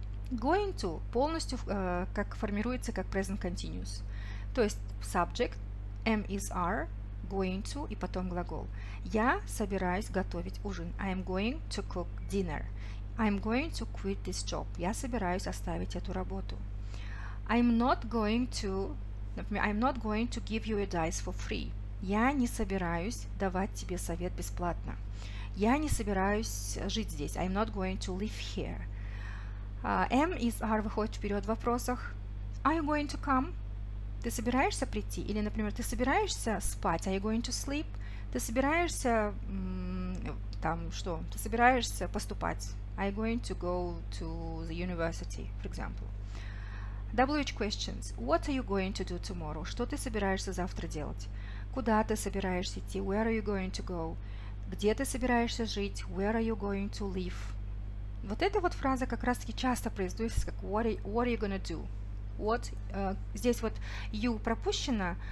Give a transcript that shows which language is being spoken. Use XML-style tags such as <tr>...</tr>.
<ru>Going to полностью как формируется как present continuous. То есть subject, am is are, going to и потом глагол. Я собираюсь готовить ужин.</ru> <en>I am going to cook dinner. I am going to quit this job.</en> <ru>Я собираюсь оставить эту работу.</ru> <en>I am not going to... Например, I'm not going to give you advice for free.</en> <ru>Я не собираюсь давать тебе совет бесплатно. Я не собираюсь жить здесь.</ru> <en>I'm not going to live here. Am is are</en> <ru>выходит вперед в вопросах.</ru> <en>Are you going to come?</en> <ru>Ты собираешься прийти? Или, например, ты собираешься спать?</ru> <en>Are you going to sleep?</en> <ru>Ты собираешься Ты собираешься поступать?</ru> <en>Are you going to go to the university, for example? WH questions. What are you going to do tomorrow?</en> <ru>Что ты собираешься завтра делать? Куда ты собираешься идти?</ru> <en>Where are you going to go?</en> <ru>Где ты собираешься жить?</ru> <en>Where are you going to live?</en> <ru>Вот эта вот фраза как раз-таки часто произносится как</ru> <en>what are you going to do?</en> <ru>What, здесь вот you пропущено.</ru>